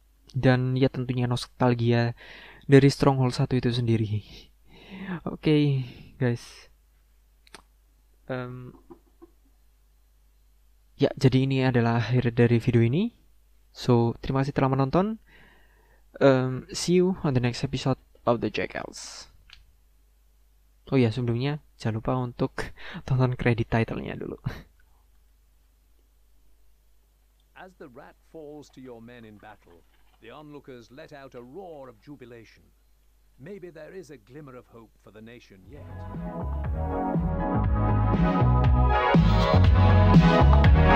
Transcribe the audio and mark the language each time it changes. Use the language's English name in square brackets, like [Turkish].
[Indonesian] Dan ya tentunya nostalgia dari Stronghold 1 itu sendiri. Oke, guys. Ya, jadi ini adalah akhir dari video ini. So, terima kasih telah menonton. [English] See you on the next episode of The Jackals. [Indonesian] Oh ya, sebelumnya jangan lupa untuk tonton credit title-nya dulu. [English] As the rat falls to your men in battle, the onlookers let out a roar of jubilation. Maybe there is a glimmer of hope for the nation yet.